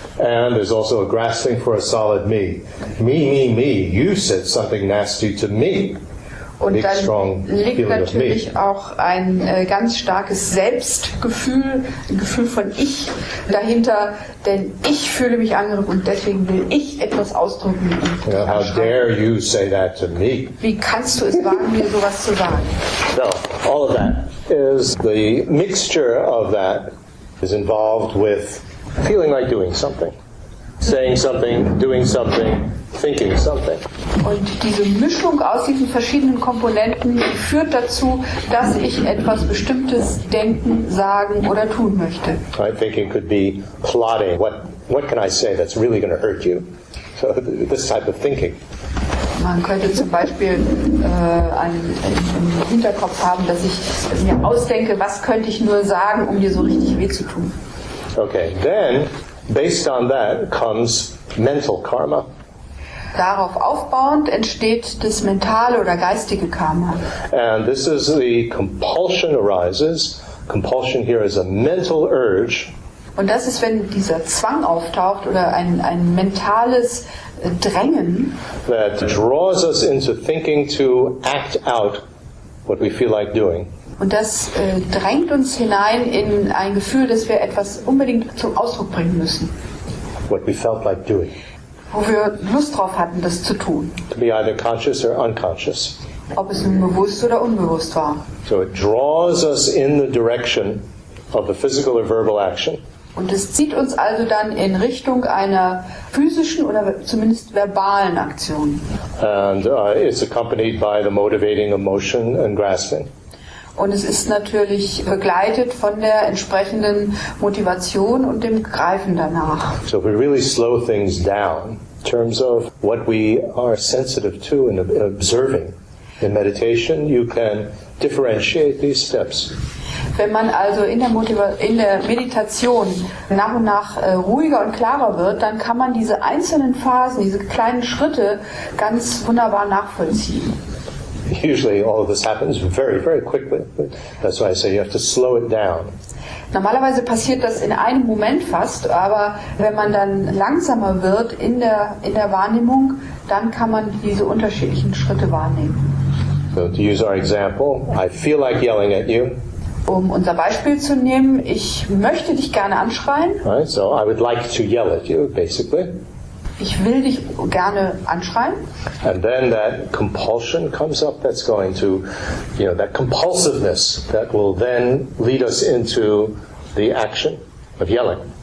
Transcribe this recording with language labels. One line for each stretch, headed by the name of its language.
English: And there's also a grasping for a solid me. Me, me, me. You said something nasty to me.
German: Und dann
English: strong
German: liegt
English: feeling
German: natürlich
English: of me.
German: Auch ein ganz starkes Selbstgefühl, ein Gefühl von Ich dahinter, denn ich fühle mich angegriffen und deswegen will ich etwas ausdrücken.
English: Yeah, how dare you say that to me?
German: Wie kannst du es wagen, mir sowas zu sagen?
English: No, all of that. Is the mixture of that is involved with feeling like doing something, saying something, doing something, thinking something.
German: Und diese Mischung aus diesen verschiedenen Komponenten führt dazu, dass ich etwas Bestimmtes denken, sagen oder tun möchte.
English: I think it could be plotting. What can I say that's really going to hurt you? So this type of thinking.
German: Man könnte zum Beispiel einen Hinterkopf haben, dass ich mir ausdenke, was könnte ich nur sagen, um dir so richtig weh zu tun.
English: Okay, then, based on that comes mental karma.
German: Darauf aufbauend entsteht das mentale oder geistige Karma.
English: And this is the compulsion arises. Compulsion here is a mental urge.
German: Und das ist, wenn dieser Zwang auftaucht oder ein mentales Drängen,
English: that draws us into thinking to act out what we feel like doing.
German: Und das drängt uns hinein in ein Gefühl, dass wir etwas unbedingt zum Ausdruck bringen müssen.
English: What we felt like doing.
German: Wo wir Lust drauf hatten, das zu tun.
English: To be either conscious or unconscious.
German: Ob es nun bewusst oder unbewusst war.
English: So it draws us in the direction of the physical or verbal action.
German: Und es zieht uns also dann in Richtung einer physischen oder zumindest verbalen Aktion.
English: And it's accompanied by the motivating emotion and grasping.
German: Und es ist natürlich begleitet von der entsprechenden Motivation und dem Greifen danach.
English: So we really slow things down in terms of what we are sensitive to and observing. In meditation you can differentiate these steps.
German: Wenn man also in der Meditation nach und nach ruhiger und klarer wird, dann kann man diese einzelnen Phasen, diese kleinen Schritte ganz wunderbar nachvollziehen.
English: usually all of this happens very, very quickly. That's why I say you have to slow it down.
German: Normalerweise passiert das in einem Moment fast, aber wenn man dann langsamer wird in der Wahrnehmung, dann kann man diese unterschiedlichen Schritte wahrnehmen.
English: So to use our example, I feel like yelling at you.
German: Um unser Beispiel zu nehmen, ich möchte dich gerne anschreien.
English: Right, so I would like to yell at you, basically.
German: Ich will dich gerne anschreien.
English: And then that compulsion comes up that's going to, you know, that compulsiveness that will then lead us into the action of yelling.